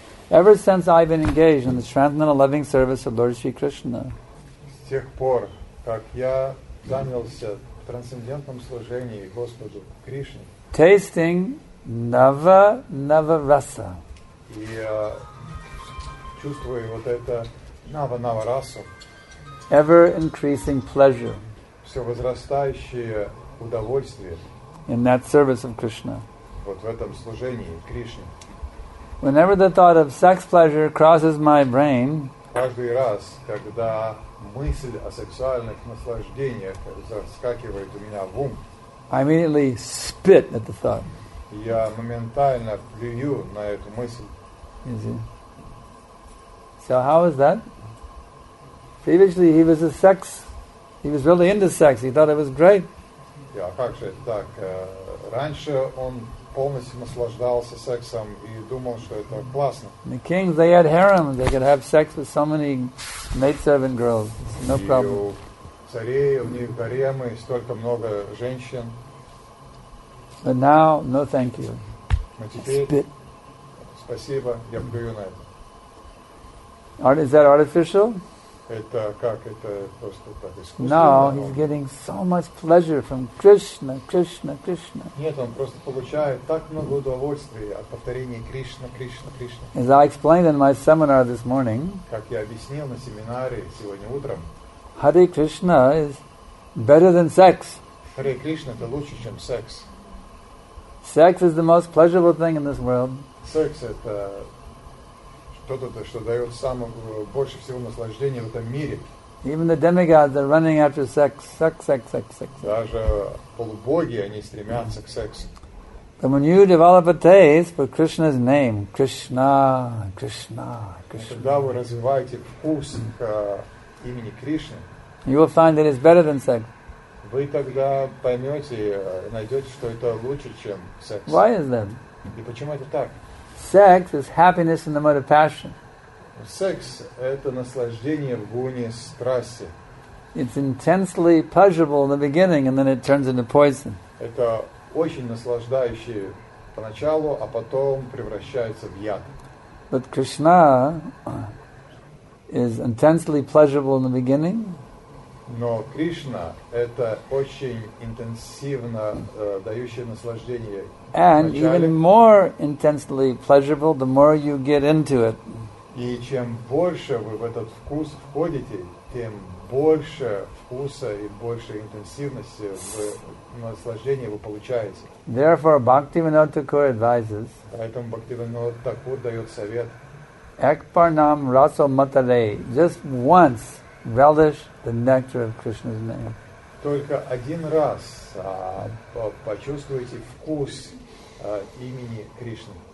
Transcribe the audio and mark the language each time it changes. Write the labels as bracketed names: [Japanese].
[English] Ever since I've been engaged in the transcendental loving service of Lord Sri Krishna, [Russian] с тех пор, как я занялся трансцендентным служением Господу Кришне, [English] tasting Nava Nava Rasa, [Russian] я чувствую вот это Nava Nava Rasa. [English] Ever increasing pleasure. [Russian] Все возрастающее удовольствие. [English] In that service of Krishna. [Russian] Вот в этом служении Кришне. [English] Whenever the thought of sex pleasure crosses my brain. [Russian] Каждый раз, когда мысль о сексуальных наслаждениях заскакивает у меня в ум. [English] I immediately spit at the thought. [Russian] Я моментально плюю на эту мысль. [English] Easy. So how is that? Previously, he was a sex He was really into sex. He thought it was great. [Russian] Yeah, как же так? Раньше он полностью наслаждался сексом и думал, что это классно. [English] The kings, they had harems. They could have sex with so many maidservant girls. It's no problem. [Russian] У царей, у них гаремы, столько много женщин. [English] But now, no thank you. [Russian] Но теперь, спасибо, я плюю на это. [English] Is that artificial? [Russian] Это как, это просто так, искусственно? [English] No, he's getting so much pleasure from Krishna, Krishna, Krishna. [Russian] Нет, он просто получает так много удовольствия от повторения Кришна, Кришна, Кришна. [English] As I explained in my seminar this morning, [Russian] как я объяснил на семинаре сегодня утром, [English] Hare Krishna is better than sex. [Russian] Hare Krishna – это лучше, чем секс. [English] Sex is the most pleasurable thing in this world. [Russian] Sex – это что-то, что дает больше всего наслаждения в этом мире. [English] Even the demigods are running after sex. Sex, sex, sex, sex. [Russian] Даже полубоги, они стремятся к сексу. [English] But when you develop a taste for Krishna's name, Krishna, Krishna, Krishna. [Russian] Когда вы развиваете вкус к имени Кришны, [English] you will find that it's better than sex. [Russian] Вы тогда поймете, найдете, что это лучше, чем секс. [English] Why is that? [Russian] И почему это так? [English] Sex is happiness in the mode of passion. [Russian] Sex – это наслаждение в гуне страсти. [English] It's intensely pleasurable in the beginning, and then it turns into poison. [Russian] Это очень наслаждающее поначалу, а потом превращается в яд. [English] But Krishna is intensely pleasurable in the beginning. [Russian] Но Кришна – это очень интенсивно дающее наслаждение. [English] And even more intensely pleasurable, the more you get into it. [Russian] И чем больше вы в этот вкус входите, тем больше вкуса и больше интенсивности в наслаждении вы получаете. [English] Therefore, Bhaktivinoda Thakur advises. [Russian] Поэтому Бхактивинода Такур дает совет. [Bangla] Экпарнам расо матале. [English] Just once relish the nectar of Krishna's name. [Russian] Только один раз почувствуйте вкус имени Кришны.